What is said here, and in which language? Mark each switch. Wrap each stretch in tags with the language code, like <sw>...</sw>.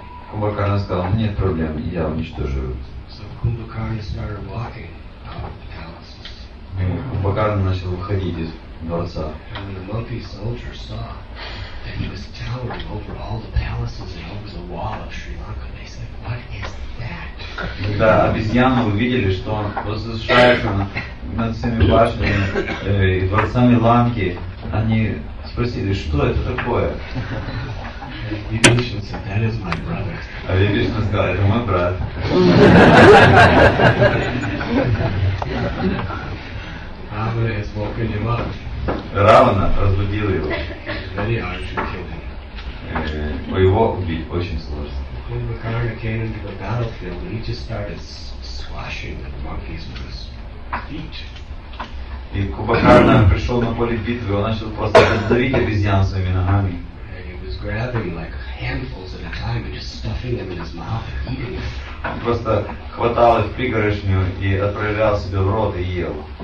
<ru>Кумбакарна сказал, нет проблем, я уничтожу его.</ru> <en>Кумбакарна started walking out of the palace.</en> <ru>Кумбакарна начал выходить из дворца.</ru> <en>And the monkey soldiers saw that he was towering over all the palaces and over the wall of Sri Lanka. They said, what is that?</en> <ru>Когда обезьяны увидели, что он возвышается над всеми башнями и дворцами Ланки, они спросили, что это такое?</ru> <en>Vibhishan said, that is my brother.</en> <ru>А Vibhishan сказал, это мой брат.</ru> <en>Ravana has woken him up.</en> <ru>Равана разбудил его.</ru> <en>Very hard to kill him.</en> <ru>Его убить очень сложно.</ru> <en>Kumbhakarna came into the battlefield and he just started squashing the monkeys with his feet.</en> <ru>И Кумбхакарна пришел на поле битвы, он начал просто раздавить обезьян своими ногами.</ru> <en>And he was grabbing like handfuls at a time and just stuffing them in his mouth and eating them.</en> <ru>Он просто хватал их пригоршню и отправлял себе в рот и ел.</ru>